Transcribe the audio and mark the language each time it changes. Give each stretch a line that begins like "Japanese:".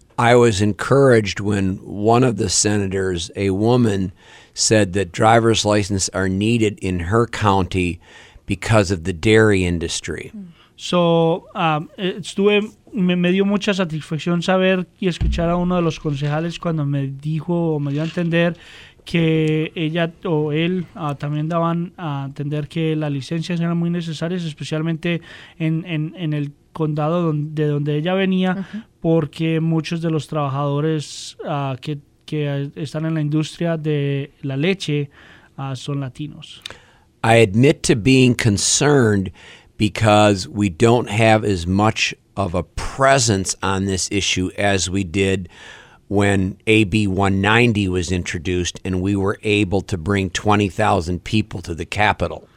English: I was encouraged when one of the senators, a woman, said that driver's license are needed in her county because of the dairy industry.
Spanish: So, me dio mucha satisfacción saber y escuchar a uno de los concejales cuando me dijo o me dio a entender que ella o él también daban a entender que las licencias eran muy necesarias, especialmente en el condado de donde ella venía, porque muchos de los trabajadores que están en la industria de la leche son latinos.
English: I admit to being concerned because we don't have as much of a presence on this issue as we did when AB 190 was introduced and we were able to bring 20,000 people to the Capitol.